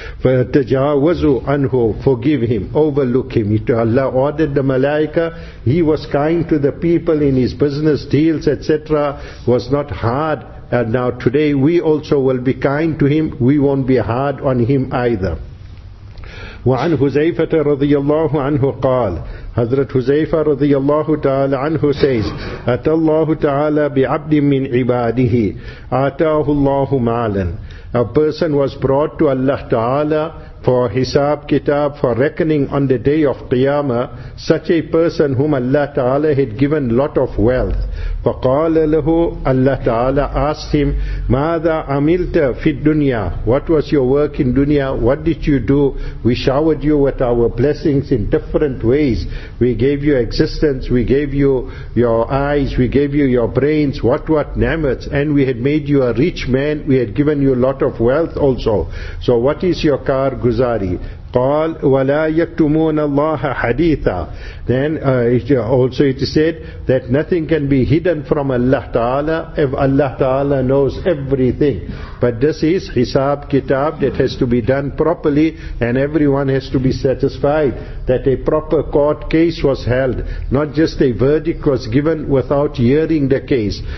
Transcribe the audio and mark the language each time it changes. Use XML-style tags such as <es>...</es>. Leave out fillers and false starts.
<ar>فَتَجَاوَزُ عَنْهُ.</ar> <en>Forgive him, overlook him. Allah ordered the malaika. He was kind to the people in his business deals, etc. Was not hard. And now today we also will be kind to him. We won't be hard on him either.</en> <ar>وعن حذيفة رضي الله عنه قال حضرت حذيفة رضي الله تعالى عنه</ar> <en>says</en> <ar>أتى الله تعالى بعبد من عباده آتاه الله مالا.</ar> <en>A person was brought to Allah Ta'ala for hisab kitab, for reckoning on the day of Qiyamah, such a person whom Allah Ta'ala had given lot of wealth.</en> <ar>فَقَالَ لَهُ.</ar> <en>Allah Ta'ala asked him,</en> <ar>مَاذَا عَمِلْتَ فِي الدُّنْيَا.</ar> <en>What was your work in dunya? What did you do? We showered you with our blessings in different ways. We gave you existence, we gave you your eyes, we gave you your brains, what namats, and we had made you a rich man, we had given you lot of wealth also. So what is your car guzari?</en> <ar>قال ولا يكتمون الله حديثا.</ar> <en>Then also it is said that nothing can be hidden from Allah Ta'ala if Allah Ta'ala knows everything. But this is hisab kitab that has to be done properly and everyone has to be satisfied that a proper court case was held, not just a verdict was given without hearing the case.</en>